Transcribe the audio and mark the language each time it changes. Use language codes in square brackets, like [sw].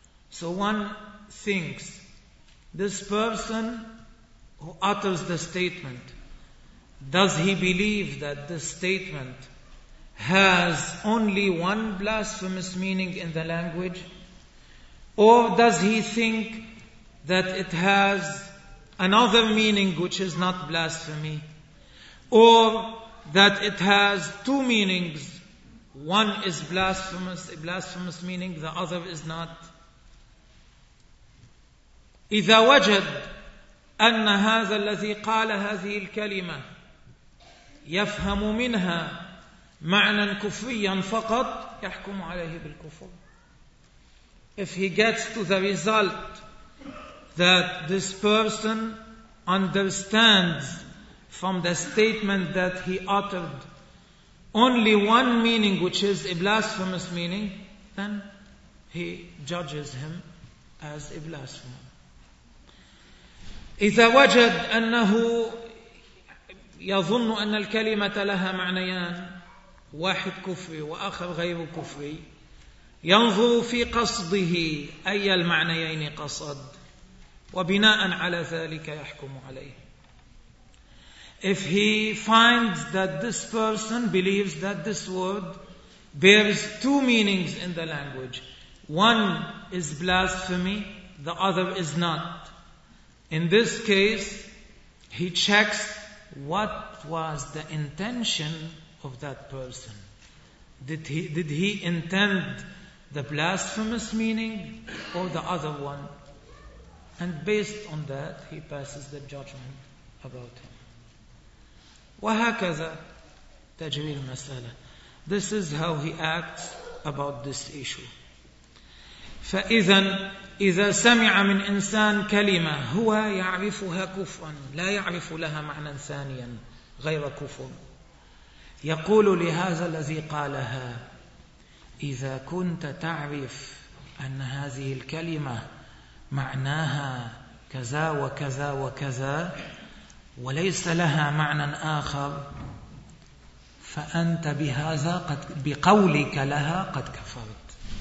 [en] So one thinks, this person who utters the statement, does he believe that this statement has only one blasphemous meaning in the language? Or does he think that it has another meaning which is not blasphemy? Or that it has two meanings, one is blasphemous, a blasphemous meaning, the other is not? [ar] إذا وجد أن هذا الذي قال هذه الكلمة يفهم منها معنى كفريا فقط يحكم عليه بالكفر. [en] If he gets to the result that this person understands from the statement that he uttered only one meaning which is a blasphemous meaning, then he judges him as a blasphemer. [ar] إذا وجد أنه يظن أن الكلمة لها معنيان، واحد كفري وآخر غير كفري، ينظر في قصده أي المعنيين قصد، وبناء على ذلك يحكم عليه. [en] If he finds that this person believes that this word bears two meanings in the language, one is blasphemy, the other is not, in this case, he checks what was the intention of that person. Did he intend the blasphemous meaning or the other one? And based on that, he passes the judgment about him. [ar] وَهَكَذَا تَجْرِي الْمَسَأَلَةَ. [en] This is how he acts about this issue. [ar] فَإِذًا إذا سمع من إنسان كلمة هو يعرفها كفرا لا يعرف لها معنى ثانيا غير كفر، يقول لهذا الذي قالها: إذا كنت تعرف أن هذه الكلمة معناها كذا وكذا وكذا وليس لها معنى آخر، فأنت بهذا قد بقولك لها قد كفرت.